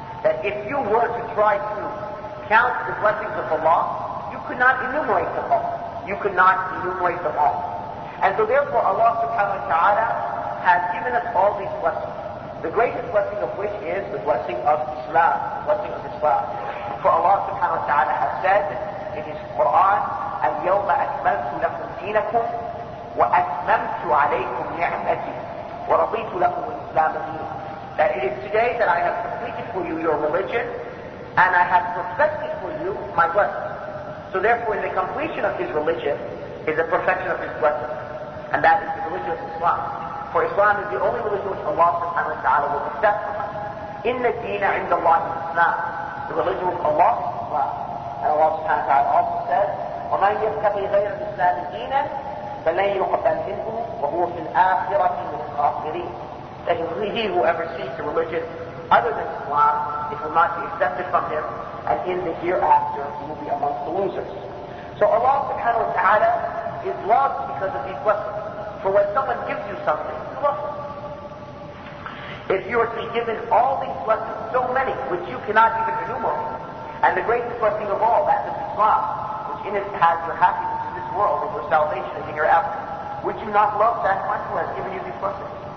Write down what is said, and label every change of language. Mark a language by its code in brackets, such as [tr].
[en] That if you were to try to count the blessings of Allah, you could not enumerate them all. You could not enumerate them all. And so therefore Allah subhanahu wa ta'ala has given us all these blessings, the greatest blessing of which is the blessing of Islam, the blessing of Islam. For Allah subhanahu wa ta'ala has said in his Quran, [ar] الْيَوْمَ أَكْمَلْتُ لَكُمْ دِينَكُمْ وَأَكْمَلْتُ عَلَيْكُمْ نِعْمَتِي وَرَضِيتُ لَكُمْ الْإِسْلَامَ دِينًا. [en] That it is today that I have completed for you your religion, and I have perfected for you my blessing. So therefore, in the completion of his religion is the perfection of his blessing. And that is the religion of Islam. For Islam is the only religion which Allah subhanahu wa ta'ala will accept from us. [ar] إِنَّ الدِّينَ عِنْدَ اللَّهِ الْإِسْلَامِ. [en] The religion of Allah is Islam. And Allah subhanahu wa ta'ala also says, [ar] وَمَنْ يَبْتَغِي غَيْرَ الْإِسْلَامِ دِينًا فَلَنْ يُقْبَلْ مِنْهُ وَهُوَ فِي الْآخِرَةِ مِنَ الْخَاسِرِينَ. [en] That he who ever seeks a religion other than Islam, it will not be accepted from him, and in the hereafter he will be amongst the losers. So Allah subhanahu wa ta'ala is loved because of these blessings. For when someone gives you something, you love them. If you are to be given all these blessings, so many, which you cannot even enumerate, and the greatest blessing of all, that is Islam, which in it has your happiness in this world and your salvation in your after, would you not love that one who has given you these blessings?